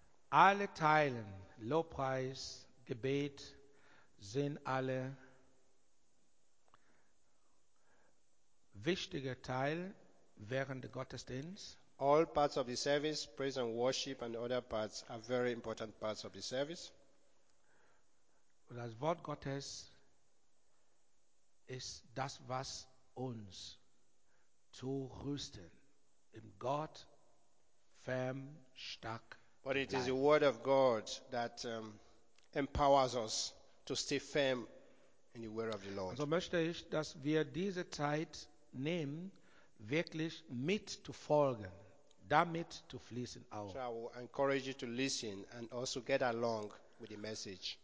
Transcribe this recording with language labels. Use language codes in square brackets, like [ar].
[de] Alle Teilen, Lobpreis, Gebet, sind alle wichtige Teile während des Gottesdienstes. [en] All parts of the service, praise and worship and other parts are very important parts of the service. [de] Das Wort Gottes ist das, was uns zu rüsten, in Gott firm, stark. [en] But it is the word of God that empowers us to stay firm in the word of the Lord. [de] So möchte ich, dass wir diese Zeit nehmen, wirklich mit zu folgen, damit zu fließen auch. [en] So I will encourage you to listen and also get along with the message.